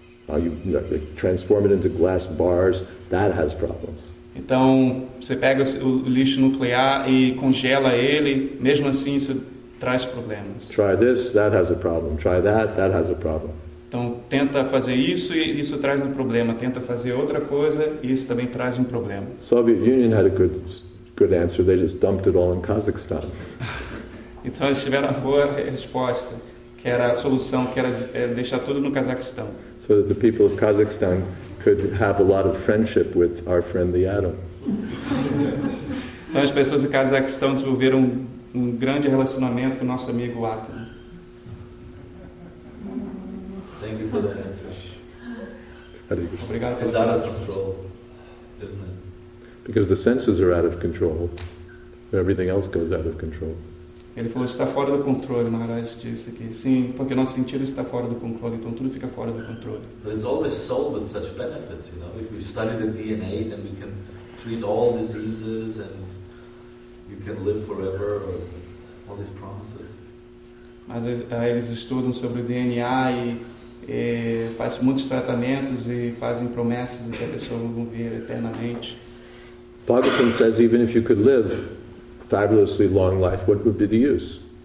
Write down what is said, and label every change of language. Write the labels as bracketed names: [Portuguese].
[English] You transform it into glass bars. That has problems. [Portuguese] Então, você pega o lixo nuclear e congela ele, mesmo assim isso traz problemas. [English] Try this, that has a problem. Try that, that has a problem. [Portuguese] Então, tenta fazer isso e isso traz um problema. Tenta fazer outra coisa e isso também traz um problema. [English] Soviet Union had a good answer. They just dumped it all in Kazakhstan. [Portuguese] Então, eles tiveram uma boa resposta, que era a solução, que era deixar tudo no Cazaquistão. [English] So that the people of Kazakhstan could have a lot of friendship with our friend the Atom. [Portuguese] Então as pessoas do Cazaquistão desenvolveram um grande relacionamento com nosso amigo Atom. [English] Thank you for that answer. [Portuguese] Obrigado. [English] It's out of control, isn't it? Because the senses are out of control, everything else goes out of control. [Portuguese] Ele falou está fora do controle, Maharaj disse que sim, porque nosso sentido está fora do controle, então tudo fica fora do controle. [English] But it's always sold with such benefits, you know. If we study the DNA, then we can treat all diseases and you can live forever, or all these promises. [Portuguese] Mas eles estudam sobre o DNA e fazem muitos tratamentos e fazem promessas de que a pessoa vai viver eternamente. [English] Bhagavatam says even if you could live fabulously long life, what would be the use?